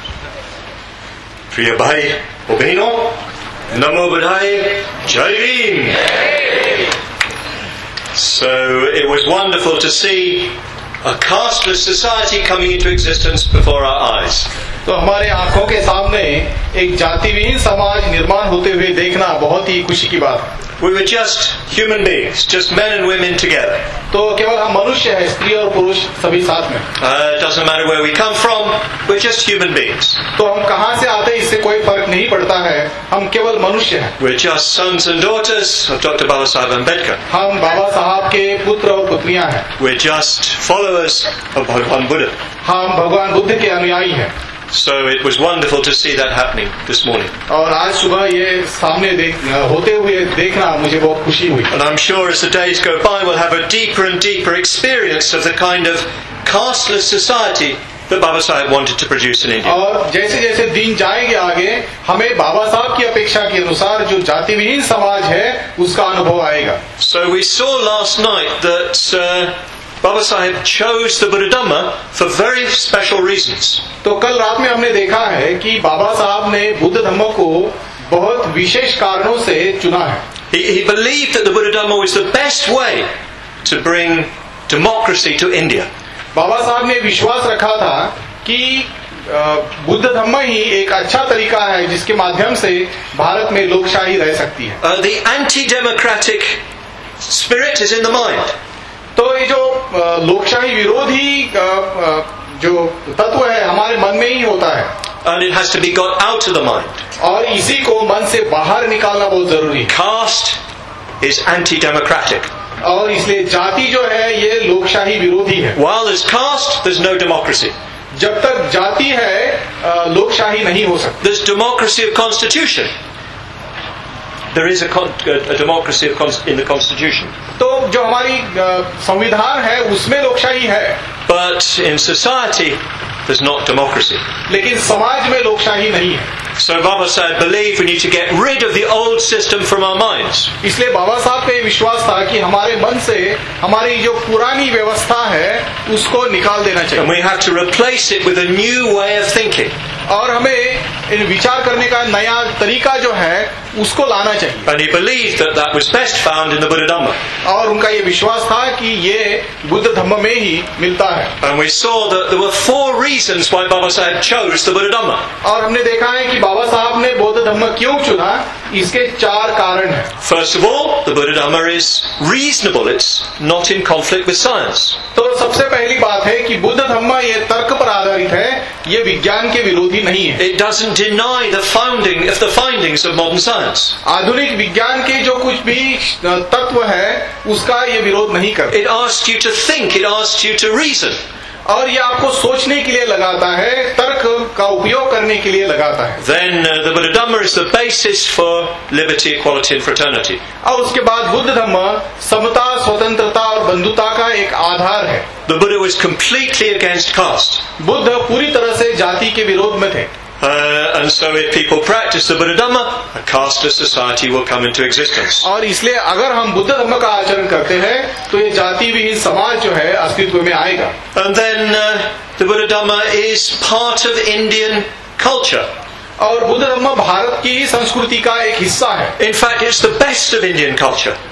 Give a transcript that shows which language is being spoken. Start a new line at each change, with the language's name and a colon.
Hindi: प्रिय भाई और बहनों, नमो बुद्धाय, जय Bhim.
English: So it was wonderful to see a casteless society coming into existence before our eyes.
Hindi: तो हमारे आंखों के सामने एक जातिविहीन समाज निर्माण होते हुए देखना बहुत ही खुशी की बात।
English: We were just human beings, just men and women together.
Hindi: तो केवल हम मनुष्य हैं, स्त्री और पुरुष सभी साथ में।
English: Doesn't matter where we come from, we're just human beings.
Hindi: तो हम कहां से आते हैं इससे कोई फर्क नहीं पड़ता है, हम केवल मनुष्य हैं।
English: We're just sons and daughters of Dr. Babasaheb Ambedkar.
Hindi: हम बाबा साहब के पुत्र और पुत्रियां हैं।
English: We're just followers of Bhagavan Buddha.
Hindi: हम भगवान बुद्ध के अनुयायी हैं।
English: So it was wonderful to see that happening this morning.
Hindi: और आज सुबह ये सामने होते हुए देखना मुझे बहुत खुशी हुई।
English: And I'm sure as the days go by, we'll have a deeper and deeper experience of the kind of casteless society that Baba Sahib wanted to produce in India.
Hindi: और जैसे-जैसे दिन जाएंगे आगे, हमें बाबा साहब की अपेक्षा के अनुसार जो जातिविहीन समाज है, उसका अनुभव आएगा।
English: So we saw last night that Baba Sahib chose the Buddha Dhamma for very special reasons.
Hindi: तो कल रात में हमने देखा है कि बाबा साहब ने बुद्ध धम्म को बहुत विशेष कारणों से चुना है।
English: He believed that the Buddha Dhamma was the best way to bring democracy to India.
Hindi: बाबा साहब ने विश्वास रखा था कि बुद्ध धम्म ही एक अच्छा तरीका है जिसके माध्यम से भारत में लोकशाही रह सकती है।
English: The anti-democratic spirit is in the mind.
Hindi: तो ये जो लोकशाही विरोधी जो तत्व है हमारे मन में ही होता है।
English: And it has to be got out of the mind.
Hindi: और इसी को मन से बाहर निकालना बहुत जरूरी है।
English: Caste is anti-democratic.
Hindi: और इसलिए जाति जो है ये लोकशाही विरोधी है।
English: While there's caste, there's no democracy.
Hindi: जब तक जाति है लोकशाही नहीं हो सकती।
English: There's democracy of constitution. There is a democracy in the constitution.
Hindi: तो जो हमारी संविधान है उसमें लोकशाही है।
English: But in society, there's not democracy.
Hindi: लेकिन समाज में लोकशाही नहीं है।
English: So Baba Sahib believed we need to get rid of the old system from our minds.
Hindi: इसलिए बाबा साहब पे विश्वास था कि हमारे मन से हमारी जो पुरानी व्यवस्था है उसको निकाल देना चाहिए।
English: And we have to replace it with a new way of thinking.
Hindi: और हमें इन विचार करने का नया तरीका जो है उसको लाना चाहिए।
English: And he believed that that was best found in the Buddha Dhamma.
Hindi: और उनका ये विश्वास था कि ये बुद्ध धम्म में ही मिलता है।
English: And we saw that there were four reasons why Baba Sahib chose the Buddha Dhamma.
Hindi: और हमने देखा है कि बाबा साहब ने बुद्ध धम्म क्यों चुना, इसके चार कारण हैं।
English: First of all, the Buddha Dhamma is reasonable. It's not in conflict with science.
Hindi: तो सबसे पहली बात है कि बुद्ध धम्म ये तर्क पर आधारित है, ये विज्ञान के विरोधी नहीं है।
English: It doesn't deny the founding of the findings of modern science.
Hindi: आधुनिक विज्ञान के जो कुछ भी तत्व है उसका ये विरोध नहीं करता।
English: It asks you to think, it asks you to reason.
Hindi: और ये आपको सोचने के लिए लगाता है, तर्क का उपयोग करने के लिए लगाता है।
English: Then the Buddha Dhamma is the basis for liberty, equality and fraternity.
Hindi: और उसके बाद बुद्ध धम्म समता, स्वतंत्रता और बंधुता का एक आधार है।
English: The Buddha was completely against caste.
Hindi: Buddha पूरी तरह से जाति के विरोध में थे।
English: And so if people practice the Buddha Dhamma, a casteless society will come into existence.
Hindi: और इसलिए अगर हम बुद्ध धम्म का आचरण करते हैं तो ये जाति विहीन समाज जो है अस्तित्व में आएगा।
English: And then the Buddha Dhamma is part of Indian culture.
Hindi: और बुद्ध धम्म भारत की संस्कृति का एक हिस्सा है।
English: In fact, it's the best of Indian culture.